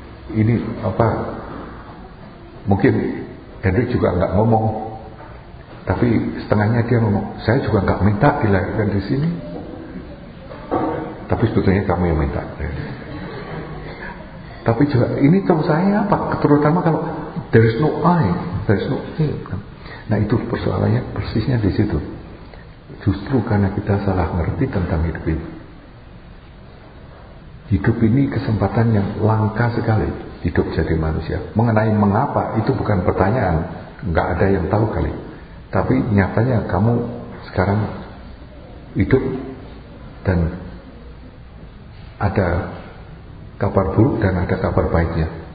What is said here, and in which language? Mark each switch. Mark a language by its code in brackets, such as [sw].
[id] Ini apa? Mungkin Hendrik juga enggak ngomong, tapi setengahnya dia ngomong, saya juga enggak minta dilahirkan di sini, tapi sebetulnya kamu yang minta. Tapi juga ini terus saya apa? Terutama kalau [en] there is no I, there is no him. [id] Nah itu persoalannya persisnya di situ. Justru karena kita salah ngerti tentang hidup ini. Hidup ini kesempatan yang langka sekali, hidup jadi manusia. Mengenai mengapa itu bukan pertanyaan, nggak ada yang tahu kali. Tapi nyatanya kamu sekarang hidup dan ada kabar buruk dan ada kabar baiknya.